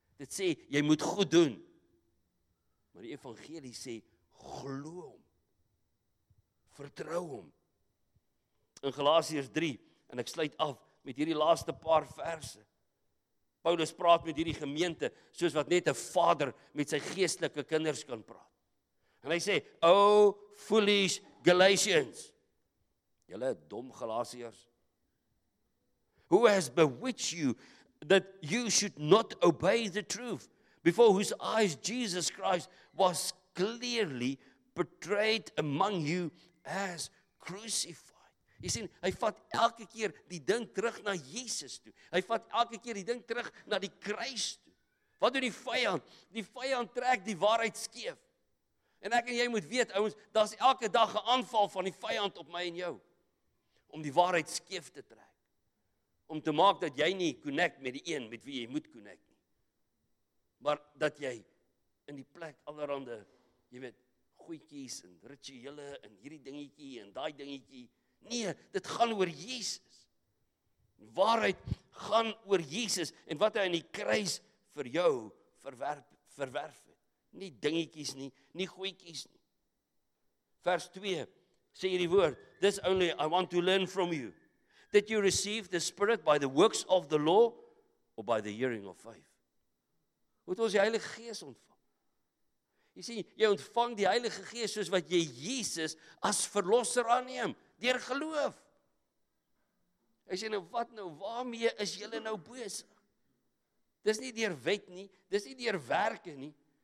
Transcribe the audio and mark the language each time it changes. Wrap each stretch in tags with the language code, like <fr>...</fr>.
<af>Dit sê, jy moet goed doen. Maar die evangelie sê, glo hom. Vertrou hom. In Galasiërs 3, en ek sluit af met hierdie laaste paar verse. Paulus praat met hierdie gemeente, soos wat net 'n vader met sy geestelike kinders kan praat. En hy sê,</af> <en>O foolish Galatians,</en> <af>julle dom Galasiërs,</af> <en>who has bewitched you, that you should not obey the truth, before whose eyes Jesus Christ was clearly portrayed among you as crucified.</en> <af>Jy sien, hy vat elke keer die ding terug na Jesus toe. Hy vat elke keer die ding terug na die kruis toe. Wat doen die vyand? Die vyand trek die waarheid skeef. En ek en jy moet weet, ouens, daar's elke dag 'n aanval van die vyand op my en jou, om die waarheid skeef te trek. Om te maak dat jy nie connect met die een met wie jy moet connect nie. Maar dat jy in die plek allerhande, jy weet, goeitjies en rituele en hierdie dingetjie en daai dingetjie. Nee, dit gaan oor Jesus. Waarheid gaan oor Jesus en wat hy in die kruis vir jou verwerf het. Nie dingetjies nie, nie goeitjies nie. Vers 2 sê hierdie woord,</af> <en>this only I want to learn from you. Did you receive the Spirit by the works of the law or by the hearing of faith?</en> <af>Moet ons die Heilige Gees ontvang? Jy sien, jy ontvang die Heilige Gees soos wat jy Jesus as verlosser aanneem, deur geloof. Hy sê, nou wat nou, waarmee is jy nou besig? Dis nie deur wet nie, dis nie deur werke nie,</af>